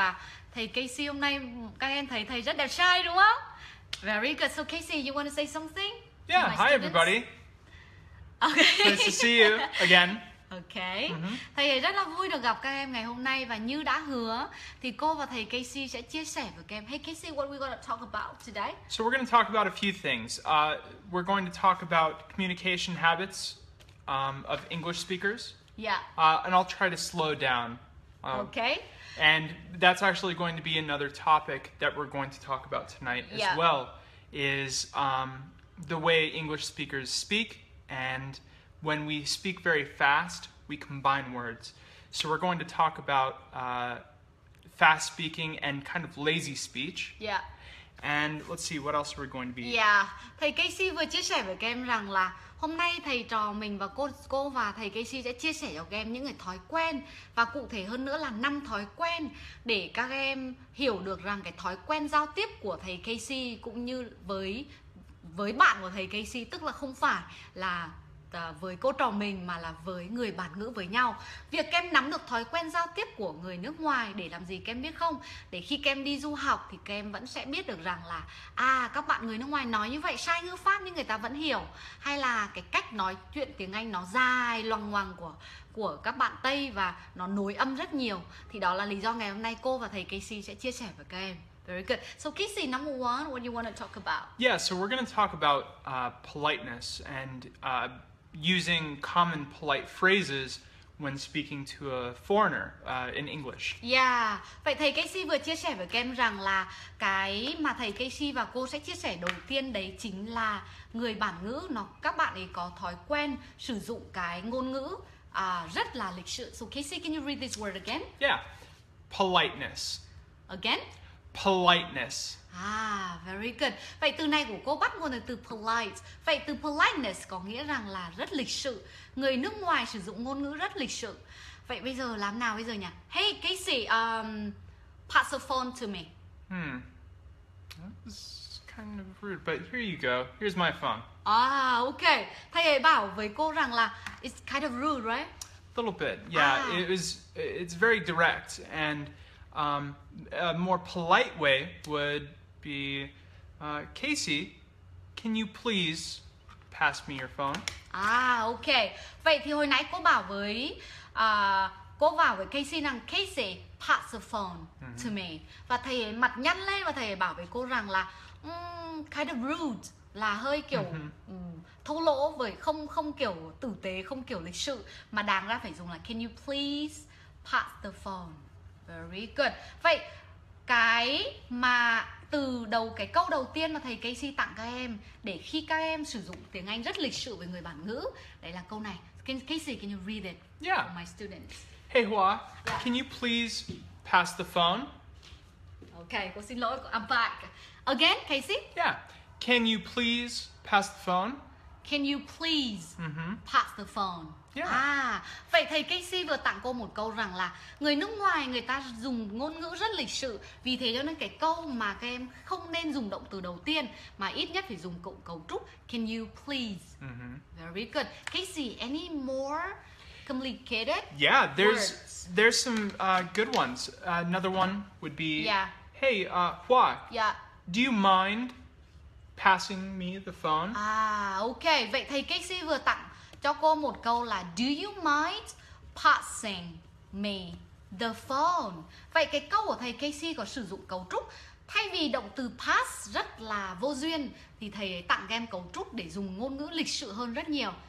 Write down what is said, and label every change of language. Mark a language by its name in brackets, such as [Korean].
[Vietnamese] Và thầy Casey hôm nay các em thấy thầy rất đẹp trai đúng không? [English] Very good. So Casey, you want to say something? Yeah, hi students? Everybody. Okay. Nice to see you again. Okay. [Vietnamese] Thầy rất là vui được gặp các em ngày hôm nay. Và như đã hứa thì cô và thầy Casey sẽ chia sẻ với các em. [English] Hey Casey, what are we going to talk about today? So we're going to talk about a few things. We're going to talk about communication habits of English speakers. Yeah. And I'll try to slow down. Okay. And that's actually going to be another topic that we're going to talk about tonight as well, is the way English speakers speak. And when we speak very fast, we combine words. So we're going to talk about fast speaking and kind of lazy speech. Yeah. And let's see, what else are we going to be? Yeah. [Vietnamese] Thầy Casey vừa chia sẻ với các em rằng là hôm nay thầy trò mình và cô và thầy Casey sẽ chia sẻ cho các em những cái thói quen, và cụ thể hơn nữa là 5 thói quen để các em hiểu được rằng cái thói quen giao tiếp của thầy Casey cũng như với bạn của thầy Casey, tức là không phải là với cô trò mình mà là với người bản ngữ với nhau. Việc kem nắm được thói quen giao tiếp của người nước ngoài để làm gì kem biết không? Để khi kem đi du học thì kem vẫn sẽ biết được rằng là các bạn người nước ngoài nói như vậy sai ngữ pháp nhưng người ta vẫn hiểu, hay là cái cách nói chuyện tiếng Anh nó dài loằng ngoằng của các bạn Tây và nó nối âm rất nhiều. Thì đó là lý do ngày hôm nay cô và thầy Casey sẽ chia sẻ với các em. [English] Very good. So Casey, number one, what do you want to talk about? Yeah, so we're going to talk about politeness and using common polite phrases when speaking to a foreigner in English. Yeah. [Vietnamese] Vậy thầy Casey vừa chia sẻ với các em rằng là cái mà thầy Casey và cô sẽ chia sẻ đầu tiên đấy chính là người bản ngữ nó, các bạn ấy có thói quen sử dụng cái ngôn ngữ rất là lịch sự. [English] So Casey, can you read this word again? Yeah. Politeness. Again? Politeness. Very good. [Vietnamese] Vậy từ này của cô bắt nguồn từ polite. Vậy từ politeness có nghĩa rằng là rất lịch sự. Người nước ngoài sử dụng ngôn ngữ rất lịch sự. Vậy bây giờ làm nào bây giờ nhỉ? [English] Hey Casey, pass the phone to me. That's kind of rude, but here you go. Here's my phone. Okay. [Vietnamese] Thầy ấy bảo với cô rằng là [English] it's kind of rude, right? A little bit. Yeah, it's very direct. And a more polite way would be, Casey, can you please pass me your phone? Okay. [Vietnamese] Vậy thì hồi nãy cô bảo với Casey rằng [English] Casey, pass the phone to me. [Vietnamese] Và thầy ấy mặt nhăn lên và thầy ấy bảo với cô rằng là [English] kind of rude, [Vietnamese] là hơi kiểu thô lỗ, với không kiểu tử tế, không kiểu lịch sự, mà đáng ra phải dùng là [English] can you please pass the phone. Very good. [Vietnamese] Vậy cái mà từ đầu, cái câu đầu tiên mà thầy Casey tặng các em để khi các em sử dụng tiếng Anh rất lịch sự với người bản ngữ, đấy là câu này. [English] Casey, can you read it for my students? Hey Hua, can you please pass the phone? Okay, [Vietnamese] cô xin lỗi, [English] I'm back. Again, Casey? Yeah. Can you please pass the phone? Can you please pass the phone? Yeah. [Vietnamese] Vậy thầy Casey vừa tặng cô một câu rằng là người nước ngoài người ta dùng ngôn ngữ rất lịch sự. Vì thế cho nên cái câu mà các em không nên dùng động từ đầu tiên, mà ít nhất phải dùng cụm cấu trúc [English] can you please. Very good. Casey, any more complicated words? Yeah, there's some good ones. Another one would be hey, Hua, do you mind passing me the phone? Okay. [Vietnamese] Vậy thầy Casey vừa tặng cho cô một câu là [English] do you mind passing me the phone? [Vietnamese] Vậy cái câu của thầy Casey có sử dụng cấu trúc thay vì động từ pass rất là vô duyên, thì thầy ấy tặng em cấu trúc để dùng ngôn ngữ lịch sự hơn rất nhiều.